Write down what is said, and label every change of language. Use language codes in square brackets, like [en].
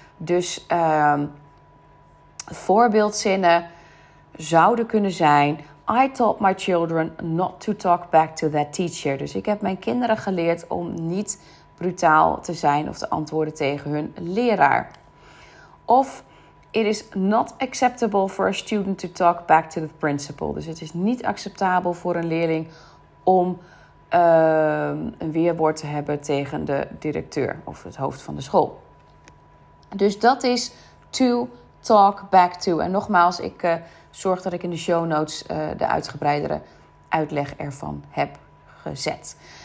[nl] Dus voorbeeldzinnen zouden kunnen zijn: [en] I taught my children not to talk back to that teacher. [nl] Dus ik heb mijn kinderen geleerd om niet brutaal te zijn of te antwoorden tegen hun leraar. Of [en] it is not acceptable for a student to talk back to the principal. [nl] Dus het is niet acceptabel voor een leerling om een weerwoord te hebben tegen de directeur of het hoofd van de school. Dus dat is to talk back to. En nogmaals, ik zorg dat ik in de show notes de uitgebreidere uitleg ervan heb gezet.